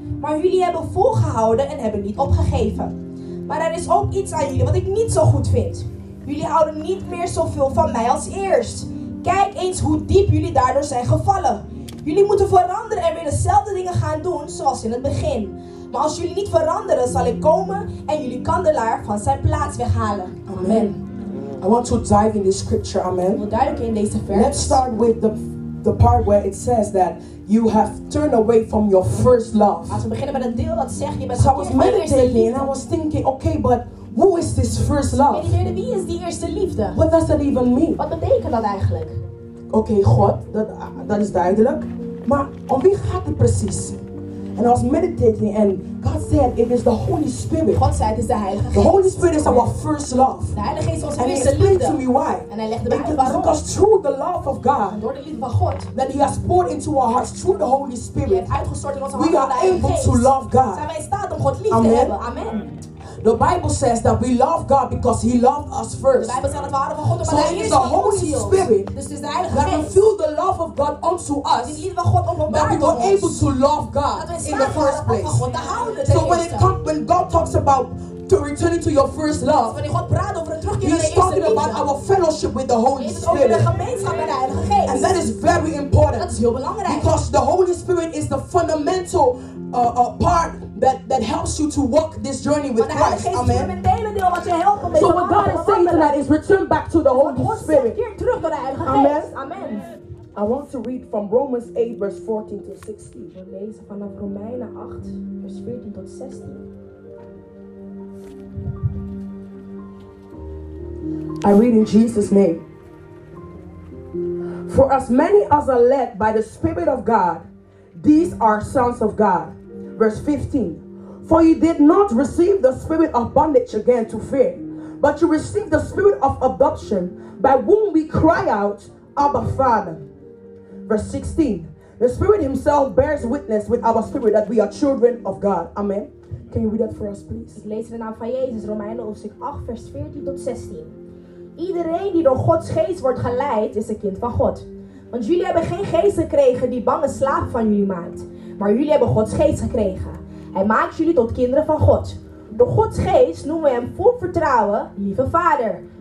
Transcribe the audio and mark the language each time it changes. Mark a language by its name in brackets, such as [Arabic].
[Dutch] Maar jullie hebben volgehouden en hebben niet opgegeven. Maar er is ook iets aan jullie wat ik niet zo goed vind. Jullie houden niet meer zoveel van mij als eerst. Kijk eens hoe diep jullie daardoor zijn gevallen. Jullie moeten veranderen en weer dezelfde dingen gaan doen zoals in het begin. Maar als jullie niet veranderen, zal ik komen en jullie kandelaar van zijn plaats weghalen. Amen. [English] I want to dive in this scripture, amen. [Dutch] We duiken in deze vers. [English] Let's start with the part where it says that you have turned away from your first love. [Dutch] Als we beginnen met een deel dat zegt, je bent van je eerste liefde. [English] I was meditating and I was thinking, okay, but who is this first love? [Dutch] Meditating, wie is die eerste liefde? [English] What does that even mean? [Dutch] Wat betekent dat eigenlijk? Okay, God, dat is duidelijk. Maar om wie gaat het precies? [English] And I was meditating and God said, it is the Holy Spirit. [Dutch] God zei, het is de Heilige Geest. [English] The Holy Spirit is our first love. [Dutch] De Heilige Geest was onze eerste [English] liefde. And he explained to me why. [Dutch] En hij legde mij uit waarom. [English] Because through the love of God, [Dutch] door de liefde van God, [English] that he has poured into our hearts through the Holy Spirit, [Dutch] die heeft uitgestort in onze hart door de Heilige Geest, [English] we are able to love God. [Dutch] Zijn wij in staat om God lief te hebben. Amen. [English] The Bible says that we love God because he loved us first. [Dutch] De Bijbel zegt dat we houden van God, maar hij is [English] the Holy Spirit. [Dutch] Dus het is de Heilige Geest. [English] That we feel the love of God unto us. [Dutch] Die liefde van God openbaart [English] ons. That we are able to love God in the first place. [Dutch] Dat we staan van God te houden. [English] So when God talks about to returning to your first love, [Dutch] wanneer God praat over het terugkeren naar de eerste liefde, [English] he's talking about our fellowship with the Holy Spirit. [Dutch] Over de gemeenschap met de Heilige Geest. [English] And that is very important. [Dutch] Dat is heel belangrijk. [English] Because the Holy Spirit is the fundamental part that helps you to walk this journey with Christ. Amen. So what God is saying tonight is return back to the Holy Spirit. Amen. Amen. I want to read from Romans 8 verse 14 to 16. [Dutch] We lezen vanaf Romeinen 8 vers 14 tot 16. [English] I read in Jesus' name. For as many as are led by the Spirit of God, these are sons of God. Verse 15. For you did not receive the spirit of bondage again to fear, but you received the spirit of adoption by whom we cry out, Abba Father. Verse 16. The Spirit himself bears witness with our spirit that we are children of God. Amen. Can you read that for us, please? [Dutch] Ik lees de naam van Jezus, Romeinen hoofdstuk 8, vers 14 tot 16. Iedereen die door Gods geest wordt geleid, is een kind van God. Want jullie hebben geen geest gekregen die bange slaap van jullie maakt. Maar jullie hebben Gods geest gekregen. Hij maakt jullie tot kinderen van God. Door Gods geest noemen we hem vol vertrouwen, lieve vader.